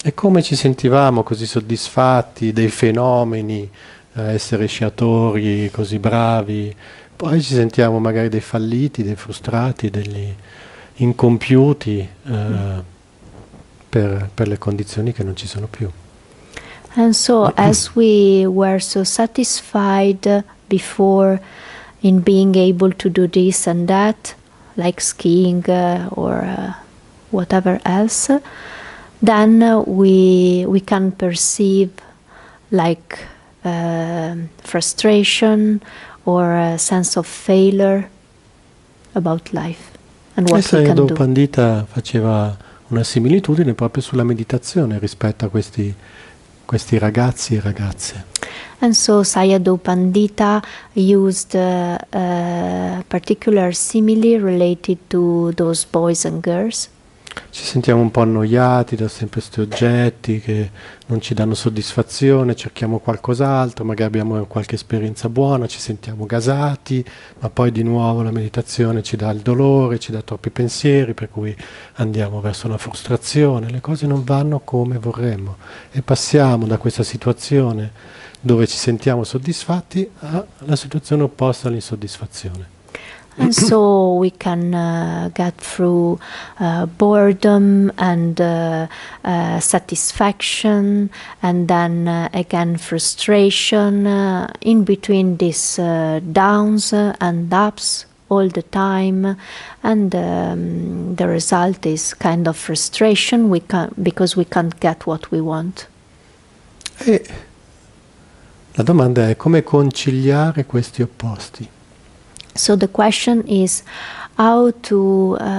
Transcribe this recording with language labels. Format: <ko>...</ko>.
<it>E come ci sentivamo così soddisfatti dei fenomeni, essere sciatori così bravi, poi ci sentiamo magari dei falliti, dei frustrati, degli incompiuti per le condizioni che non ci sono più.</it> <en>And so as we were so satisfied before in being able to do this and that, like skiing or whatever else, then we can perceive like frustration or a sense of failure about life and what we can do.</en> <it>Pandita faceva una similitudine proprio sulla meditazione rispetto a questi ragazzi e ragazze.</it> <en>And so Sayadaw Pandita used a particular simile related to those boys and girls.</en> <it>Ci sentiamo un po' annoiati da sempre questi oggetti che non ci danno soddisfazione, cerchiamo qualcos'altro, magari abbiamo qualche esperienza buona, ci sentiamo gasati, ma poi di nuovo la meditazione ci dà il dolore, ci dà troppi pensieri, per cui andiamo verso una frustrazione, le cose non vanno come vorremmo e passiamo da questa situazione dove ci sentiamo soddisfatti alla situazione opposta all'insoddisfazione.</it> <en>And so we can get through boredom and satisfaction and then again frustration in between these downs and ups all the time, and the result is kind of frustration because we can't get what we want.</en> <it>La domanda è come conciliare questi opposti.</it> <en>So the question is how to</en>